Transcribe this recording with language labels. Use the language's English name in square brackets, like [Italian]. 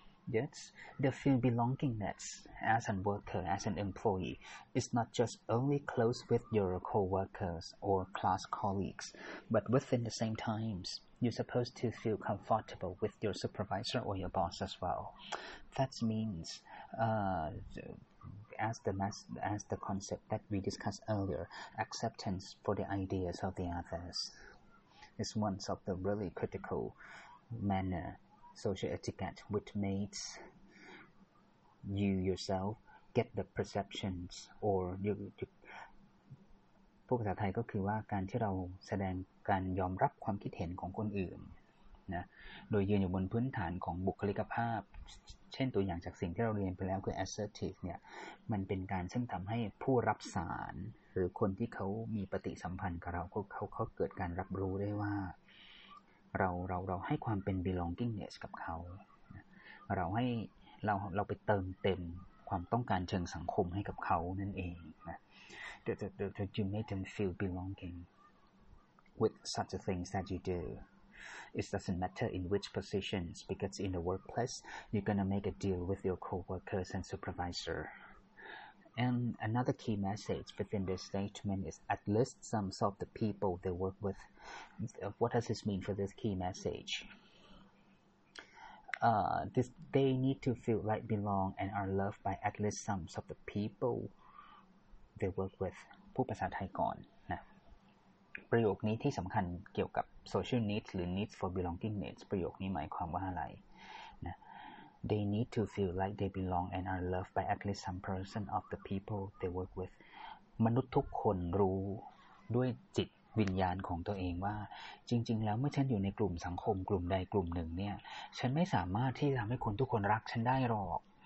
[English] Yes, the feel belongingness as a worker, as an employee, is not just only close with your co-workers or class colleagues, but within the same times, you're supposed to feel comfortable with your supervisor or your boss as well. That means, as the concept that we discussed earlier, acceptance for the ideas of the others is one of the really critical manner social etiquette, which makes you yourself get the perceptions or you [Thai] พวกภาษาไทยก็คือว่าการที่เราแสดงการยอมรับความคิดเห็นของคนอื่น นะโดยยืนอยู่บนพื้นฐานของบุคลิกภาพเช่นตัวอย่างจากสิ่งที่เราเรียนไปแล้วคือ assertive เนี่ยมันเป็นการซึ่งทำให้ผู้รับสารหรือคนที่เขามีปฏิสัมพันธ์กับเราเขาเกิดการรับรู้ได้ว่าเราให้ความเป็น belongingness กับเขาเราไปเติมเต็มความต้องการเชิงสังคมให้กับเขานั่นเองนะ [English] that you make them feel belonging with such things that you do. It doesn't matter in which positions, because in the workplace you're gonna make a deal with your co-workers and supervisor. And another key message within this statement is at least some of the people they work with. What does this mean for this key message? They need to feel like belong and are loved by at least some of the people they work with. [Thai] พูดภาษาไทยก่อนนะประโยคนี้ที่สำคัญเกี่ยวกับ social needs หรือ needs for belonging needs ประโยคนี้หมายความว่าอะไรนะ [English] They need to feel like they belong and are loved by at least some person of the people they work with. [Thai] มนุษย์ทุกคนรู้ด้วยจิตวิญญาณของตัวเองว่าจริงๆแล้วเมื่อฉันอยู่ในกลุ่มสังคมกลุ่มใดกลุ่มหนึ่งเนี่ยฉันไม่สามารถที่จะทำให้คนทุกคนรักฉันได้หรอก